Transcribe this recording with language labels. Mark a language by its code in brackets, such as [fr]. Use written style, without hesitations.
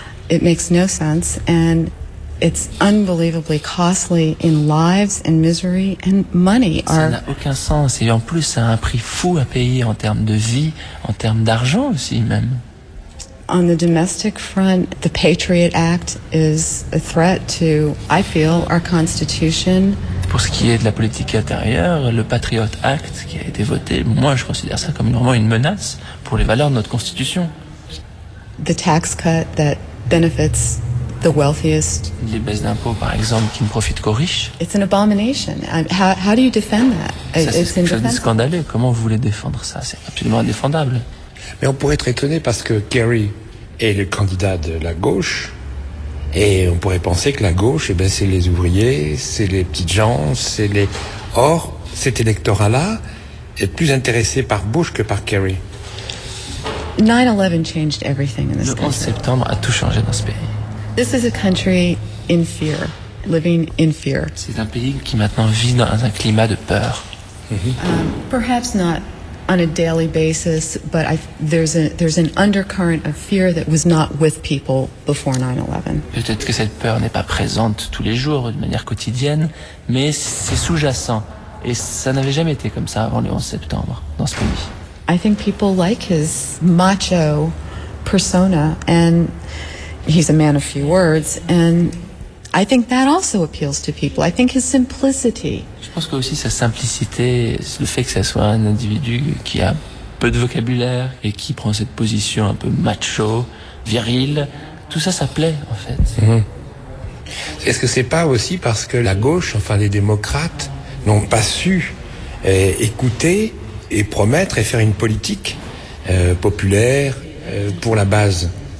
[en] It makes no sense, and it's unbelievably costly in lives and misery and money. [fr] Ça n'a aucun sens. Et en plus, ça a un prix fou à payer en termes de vie, en termes d'argent aussi même. [en] On the domestic front, the Patriot Act is a threat to, I feel, our Constitution. [fr] Pour ce qui est de la politique intérieure, le Patriot Act qui a été voté, moi je considère ça comme vraiment une menace pour les valeurs de notre Constitution. [en] The tax cut that benefits the wealthiest. [fr] Les baisses d'impôts, par exemple, qui ne profitent qu'aux riches. [en] It's an abomination. How do you defend that? [fr] Ça, c'est scandaleux. Comment vous voulez défendre ça? C'est absolument indéfendable. Mais on pourrait être étonné parce que Kerry est le candidat de la gauche, et on pourrait penser que la gauche, eh bien, c'est les ouvriers, c'est les petites gens, c'est les... Or, cet électorat-là est plus intéressé par Bush que par Kerry. [en] 9/11 changed everything in this country. [fr] Le 11 septembre a tout changé dans ce pays. [en] This is a country in fear, living in fear. [fr] C'est un pays qui maintenant vit dans un climat de peur. [en] Perhaps not on a daily basis, but there's an undercurrent of fear that was not with people before 9/11. [fr] Peut-être que cette peur n'est pas présente tous les jours de manière quotidienne, mais c'est sous-jacent et ça n'avait jamais été comme ça avant le 11 septembre dans ce pays. [en] I think people like his macho persona, and he's a man of few words, and I think that also appeals to people. I think his simplicity. [fr] Je pense que aussi sa simplicité, le fait que ça soit un individu qui a peu de vocabulaire et qui prend cette position un peu macho, viril, tout ça, ça plaît en fait. Mmh. Est-ce que c'est pas aussi parce que la gauche, enfin les démocrates, n'ont pas su écouter et promettre et faire une politique populaire pour la base?